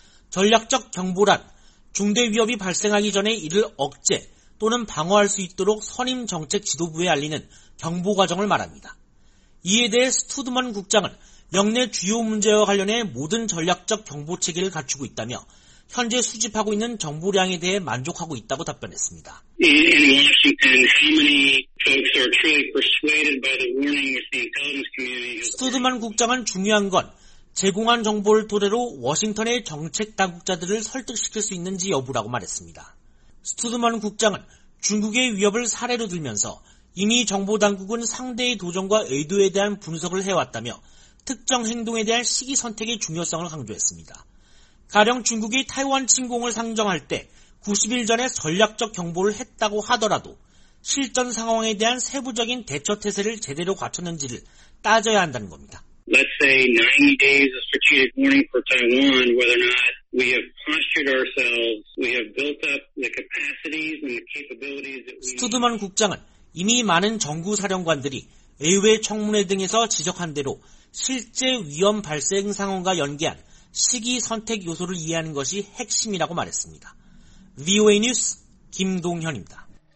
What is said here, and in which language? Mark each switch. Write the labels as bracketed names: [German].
[Korean] 전략적 경보란 중대 위협이 발생하기 전에 이를 억제 또는 방어할 수 있도록 선임 정책 지도부에 알리는 경보 과정을 말합니다. 이에 대해 스튜드먼 국장은 역내 주요 문제와 관련해 모든 전략적 경보 체계를 갖추고 있다며 현재 수집하고 있는 정보량에 대해 만족하고 있다고 답변했습니다. [English] In Washington, how many folks are truly persuaded by the warning with the intelligence community? [Korean] 스튜드먼 국장은 중요한 건 제공한 정보를 토대로 워싱턴의 정책 당국자들을 설득시킬 수 있는지 여부라고 말했습니다. 스튜드먼 국장은 중국의 위협을 사례로 들면서 이미 정보 당국은 상대의 도전과 의도에 대한 분석을 해왔다며 특정 행동에 대한 시기 선택의 중요성을 강조했습니다. 가령 중국이 타이완 침공을 상정할 때 90일 전에 전략적 경보를 했다고 하더라도 실전 상황에 대한 세부적인 대처 태세를 제대로 갖췄는지를 따져야 한다는 겁니다. [English] Let's say 90 days of strategic warning for Taiwan, whether or not we have postured ourselves, we have built up the capacities and the capabilities that we. [Korean] 스튜드먼 국장은 이미 많은 정구 사령관들이 의회 청문회 등에서 지적한 대로 실제 위험 발생 상황과 연계한 시기 선택 요소를 이해하는 것이 핵심이라고 말했습니다. VOA 뉴스 김동현입니다.